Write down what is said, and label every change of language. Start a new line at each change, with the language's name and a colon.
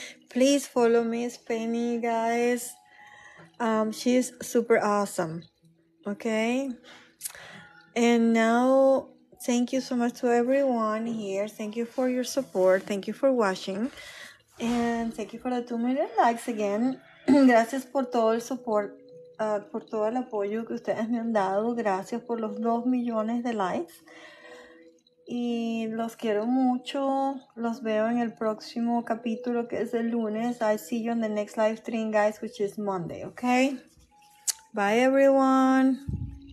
English: Please follow Miss Penny, guys. She's super awesome. Okay. And now... thank you so much to everyone here. Thank you for your support. Thank you for watching. And thank you for the 2 million likes again.
Spanish: Gracias por todo el support, por todo el apoyo que ustedes me han dado. Gracias por los 2 millones de likes. Y los quiero mucho. Los veo en el próximo capítulo, que es el lunes.
English: I see you on the next live stream, guys, which is Monday, okay? Bye, everyone.